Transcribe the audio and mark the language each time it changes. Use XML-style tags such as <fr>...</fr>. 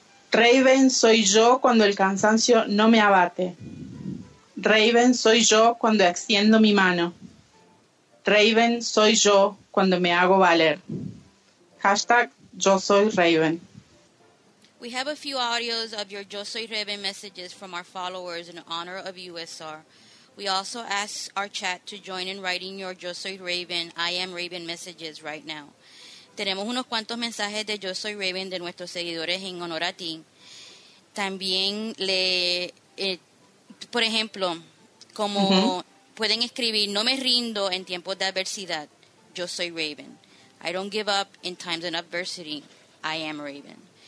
<es>Raven soy yo cuando el cansancio no me abate. Raven soy yo cuando extiendo mi mano. Raven soy yo cuando me hago valer. Hashtag Yo Soy Raven.</es> <en>We have a few audios of your Yo Soy Rebe messages from our followers in honor of USR. We also ask our chat to join in writing your Yo Soy Raven, I Am Raven messages right now.</en> <es>Tenemos unos cuantos mensajes de Yo Soy Raven de nuestros seguidores en honor a ti. También le, por ejemplo, como pueden escribir, no me rindo en tiempos de adversidad, Yo Soy Raven.</es> <en>I don't give up in times of adversity, I Am Raven.</en>